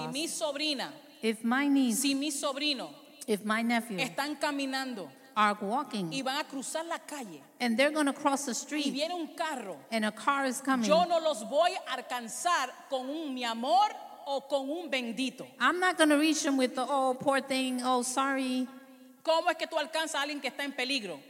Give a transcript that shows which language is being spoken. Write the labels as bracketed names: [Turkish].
[Spanish] Si mi sobrina, [English] if my niece, [Spanish] si mi sobrino, [English] if my nephew, [Spanish] están caminando, [English] are walking, [Spanish] y van a cruzar la calle, [English] and they're going to cross the street, [Spanish] y viene un carro, [English] and a car is coming, [Spanish] yo no los voy a alcanzar con un mi amor o con un bendito. [English] I'm not going to reach them with the oh poor thing, oh sorry. [Spanish] ¿Cómo es que tú alcanzas a alguien que está en peligro?